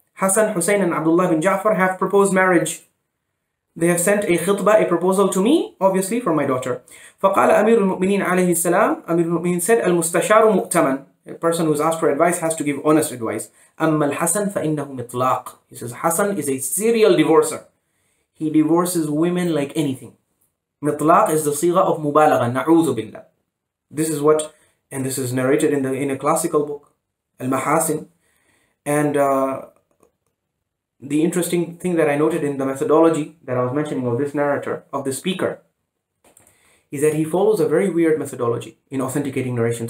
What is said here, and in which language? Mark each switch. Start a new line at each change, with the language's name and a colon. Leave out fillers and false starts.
English: Hassan, Hussein, and Abdullah bin Ja'far have proposed marriage. They have sent a khitbah, a proposal to me, obviously for my daughter.
Arabic: فقال أمير المؤمنين عليه السلام, أمير المؤمنين said, المستشار مؤتمن.
English: A person who is asked for advice has to give honest advice.
Arabic: أما الحسن فإنه مطلاق.
English: He says, Hassan is a serial divorcer. He divorces women like anything.
Arabic: مطلاق is the صيغة of مبالغة, نعوذ بالله.
English: This is what, and this is narrated in the in a classical book, Al-Mahasin. And the interesting thing that I noted in the methodology that I was mentioning of this narrator, of the speaker, is that he follows a very weird methodology in authenticating narration.